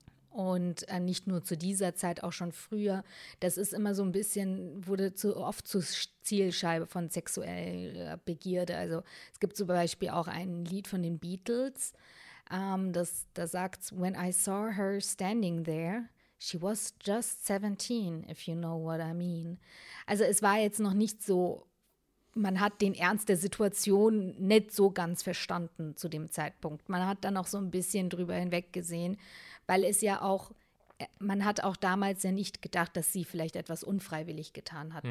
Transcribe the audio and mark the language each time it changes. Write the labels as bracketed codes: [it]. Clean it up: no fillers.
[de] Und nicht nur zu dieser Zeit, auch schon früher. Das ist immer so ein bisschen, wurde zu oft zur Zielscheibe von sexueller Begierde. Also es gibt zum Beispiel auch ein Lied von den Beatles, das da sagt, [en] when I saw her standing there, She was just 17, if you know what I mean. [de] Also es war jetzt noch nicht so, man hat den Ernst der Situation nicht so ganz verstanden zu dem Zeitpunkt. Man hat dann auch so ein bisschen drüber hinweggesehen, weil es ja auch, man hat auch damals ja nicht gedacht, dass sie vielleicht etwas unfreiwillig getan hat. Hm.